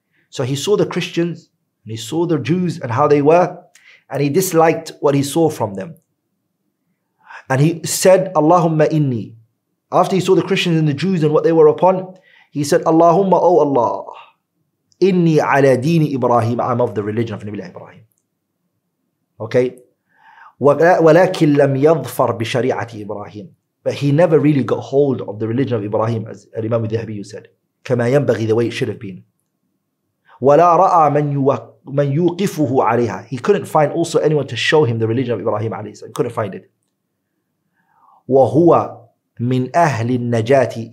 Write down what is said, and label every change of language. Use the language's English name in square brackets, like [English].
[English] So he saw the Christians, and he saw the Jews and how they were, and he disliked what he saw from them. And he said, Allahumma inni. After he saw the Christians and the Jews and what they were upon, he said, Allahumma, oh Allah, [Arabic] إني على دين إبراهيم. [English] I'm of the religion of Nabi Ibrahim. Okay. [Arabic] ولكن لم يظفر بشريعة إبراهيم. [English] But he never really got hold of the religion of Ibrahim, as Imam al-Dhahabi said. [Arabic] كما ينبغي, [English] the way it should have been. [Arabic] ولا رأى من يوقفه عليها. [English] He couldn't find also anyone to show him the religion of Ibrahim [Arabic] عليه السلام. [English] He couldn't find it. [Arabic] وهو من أهل النجاة.